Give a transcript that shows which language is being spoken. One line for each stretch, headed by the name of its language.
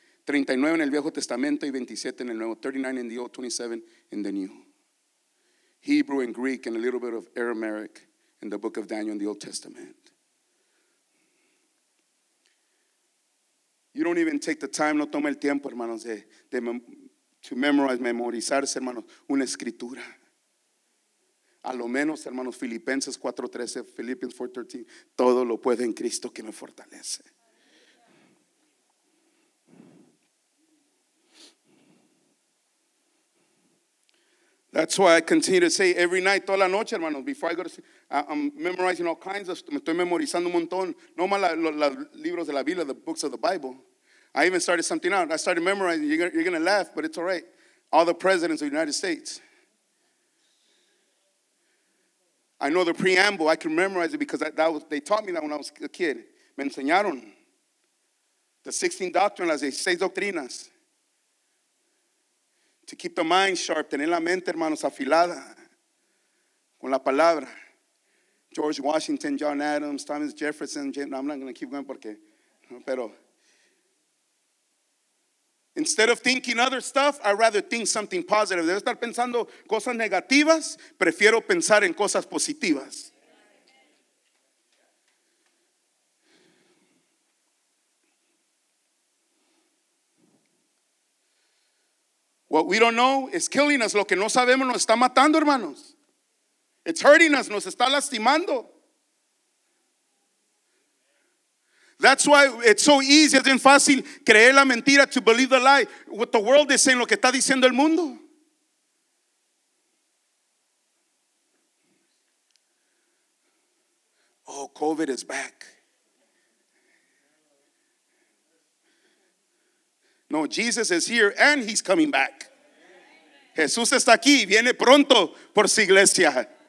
Spanish: 39 en el Viejo Testamento y 27 en el Nuevo.
English: 39 in the Old, 27 in the New. Hebrew and Greek and a little bit of Aramaic in the book of Daniel in the Old Testament. You don't even take the time,
Spanish: no toma el tiempo, hermanos,
English: to memorize,
Spanish: memorizarse, hermanos, una escritura. A lo menos, hermanos, Filipenses 4:13, Philippians 4:13, todo lo puede en Cristo que me fortalece.
English: That's why I continue to say every night,
Spanish: toda la noche, hermanos,
English: before I go to sleep, I'm memorizing all kinds of stuff.
Spanish: Me estoy memorizando un montón. No más los libros de la Biblia,
English: the books of the Bible. I even started something out. I started memorizing. You're going to laugh, but it's all right. All the presidents of the United States. I know the preamble. I can memorize it because they taught me that when I was a kid.
Spanish: Me enseñaron.
English: The 16 doctrines,
Spanish: las 16 doctrinas.
English: To keep the mind sharp,
Spanish: tener la mente, hermanos, afilada con la palabra.
English: George Washington, John Adams, Thomas Jefferson, I'm not going to keep going
Spanish: porque, pero.
English: Instead of thinking other stuff, I'd rather think something positive.
Spanish: Debo estar pensando cosas negativas, prefiero pensar en cosas positivas.
English: What we don't know is killing us.
Spanish: Lo que no sabemos nos está matando, hermanos.
English: It's hurting us.
Spanish: Nos está lastimando.
English: That's why it's so easy.
Spanish: Es bien fácil creer la mentira,
English: to believe the lie. What the world is saying,
Spanish: lo que está diciendo el mundo.
English: Oh, COVID is back. No, Jesus is here and he's coming back.
Spanish: Jesús está aquí, viene pronto por su iglesia.